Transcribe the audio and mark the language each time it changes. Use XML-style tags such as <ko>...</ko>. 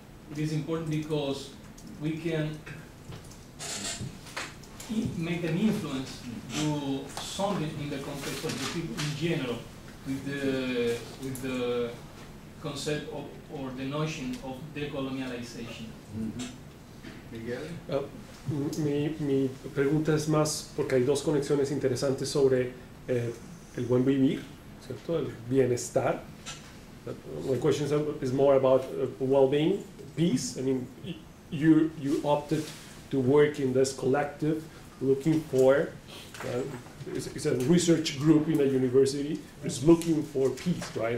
<en>It is important because we can make an influence to something in the context of the people in general with the concept of or the notion of decolonialization. Mm-hmm. Miguel?</en> <es>Mi pregunta es más porque hay dos conexiones interesantes sobre el buen vivir, ¿cierto? El bienestar.</es> <en>My question is more about well-being, peace. I mean, you opted to work in this collective looking for, it's a research group in a university, is looking for peace, right?</en>